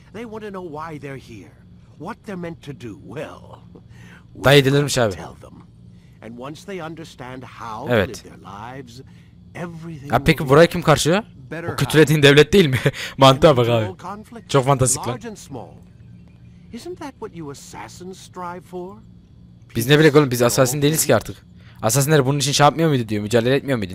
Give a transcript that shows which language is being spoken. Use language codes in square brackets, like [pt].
[en] They want to know why they're here. What they're meant to do, well, [tr] dayı dinlermiş abi. [en] And once they understand how to live their lives, everything. [tr] Ya peki burayı kim karşılıyor? O kötülediğin devlet değil mi? Mantığa bak abi. Çok fantastik lan. [en] Isn't that what you assassins strive for? [tr] Biz ne bilek oğlum, biz asasin değiliz ki artık. Asasinler bunun için şey yapmıyor muydu diyor, mücadele etmiyor muydu?